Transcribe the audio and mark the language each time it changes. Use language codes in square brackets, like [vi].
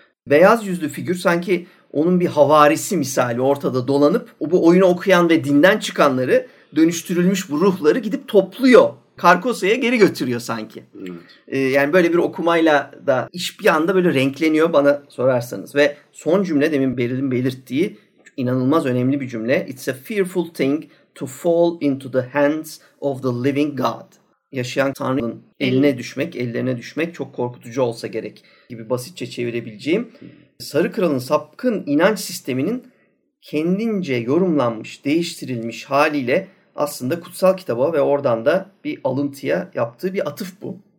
[tr] Beyaz yüzlü figür sanki onun bir havarisi misali ortada dolanıp bu oyunu okuyan ve dinden çıkanları dönüştürülmüş bu ruhları gidip topluyor. Karkosa'ya geri götürüyor sanki. Evet. Yani böyle bir okumayla da iş bir anda böyle renkleniyor bana sorarsanız. Ve son cümle demin belirttiği inanılmaz önemli bir cümle. [en] It's a fearful thing to fall into the hands of the living God. [tr] Yaşayan Tanrı'nın eline düşmek, ellerine düşmek çok korkutucu olsa gerek gibi basitçe çevirebileceğim. Sarı Kral'ın sapkın inanç sisteminin kendince yorumlanmış, değiştirilmiş haliyle aslında kutsal kitaba ve oradan da bir alıntıya yaptığı bir atıf bu.